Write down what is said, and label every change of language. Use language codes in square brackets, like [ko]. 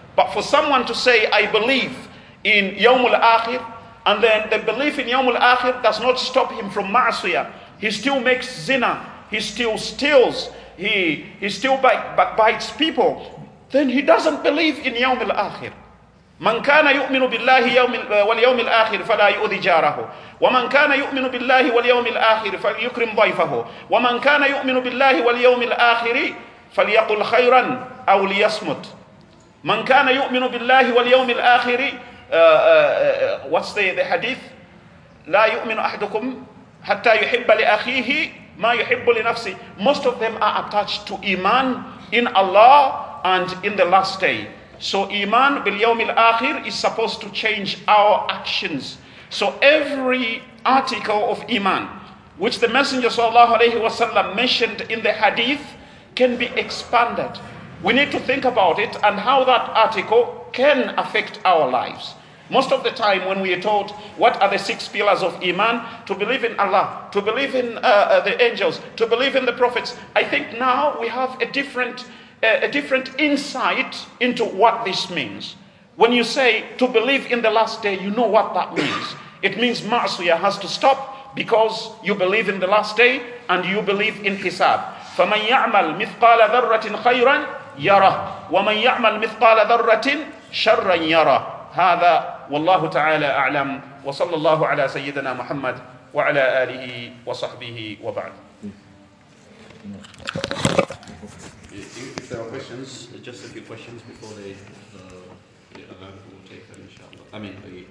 [en] But for someone to say, I believe in Yawm al-Akhir, and then the belief in Yawm al-Akhir does not stop him from ma'asiyah. He still makes zina, he still steals, He still bites people, then he doesn't believe in يوم الآخر. [ar] من كان يؤمن بالله واليوم الآخر فلا يؤذي جاره. ومن كان يؤمن بالله واليوم الآخر فليكرم ضيفه. ومن كان يؤمن بالله واليوم الآخر فليقل خيرا أو ليصمت. من كان يؤمن بالله واليوم الآخر [en] what's the hadith? [ar] لا يؤمن أحدكم حتى يحب لأخيه. [en] Most of them are attached to Iman in Allah and in the last day. So Iman bil yawm al-akhir is supposed to change our actions. So every article of Iman, which the Messenger sallallahu alayhi wa sallam mentioned in the hadith, can be expanded. We need to think about it and how that article can affect our lives. Most of the time when we are told what are the six pillars of Iman, to believe in Allah, to believe in the angels, to believe in the prophets, I think now we have a different insight into what this means. When you say to believe in the last day, you know what that means. It means ma'asiyah has to stop because you believe in the last day and you believe in hisab. [ar] فَمَنْ يَعْمَلْ مِثْقَالَ ذَرَّةٍ خَيْرًا يَرَهُ وَمَنْ يَعْمَلْ مِثْقَالَ ذَرَّةٍ شَرًّا يَرَهُ. هذا والله تعالى أعلم وصلى الله على سيدنا محمد وعلى آله وصحبه وبعد. [en] If there are questions, just a few questions before the alarm will take them, inshallah. I mean,